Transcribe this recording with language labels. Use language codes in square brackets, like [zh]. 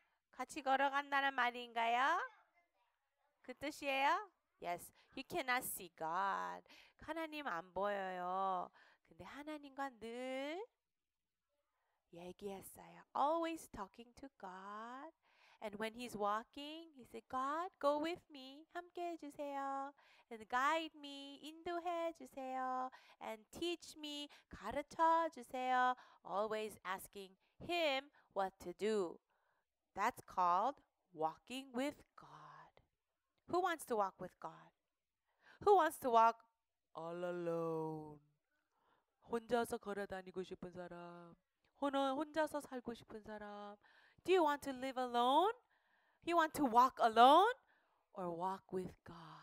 [ko] 같이 걸어간다는 말인가요? 그 뜻이에요? [en] Yes, you cannot see God. [ko] 하나님 안 보여요. 근데 하나님과 늘 얘기했어요. [en] Always talking to God. And when he's walking, he said, God, go with me. [ko] 함께 해주세요. [en] And guide me. [ko] 인도해 주세요. [en] And teach me. [ko] 가르쳐 주세요. [en] Always asking him what to do. That's called walking with God. Who wants to walk with God? Who wants to walk all alone? [ko] 혼자서 걸어다니고 싶은 사람. 혼자서 살고 싶은 사람. [en] Do you want to live alone? You want to walk alone or walk with God?